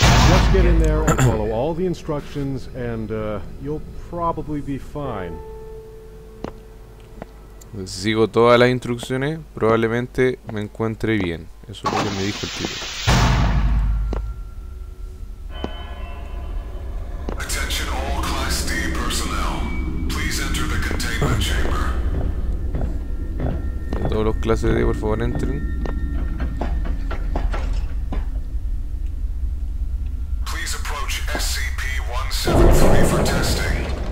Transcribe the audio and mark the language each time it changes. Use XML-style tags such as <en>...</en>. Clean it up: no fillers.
<en>Just get in there and follow all the instructions and you'll probably be fine.</en> <es>Sigo todas las instrucciones, probablemente me encuentre bien. Eso es lo que me dijo el tío.</es> <en>Attention all Class D personnel. Please enter the containment chamber.</en> <es>Todos los clases D, por favor, entren.</es> <en>Please approach SCP-173 for testing.</en>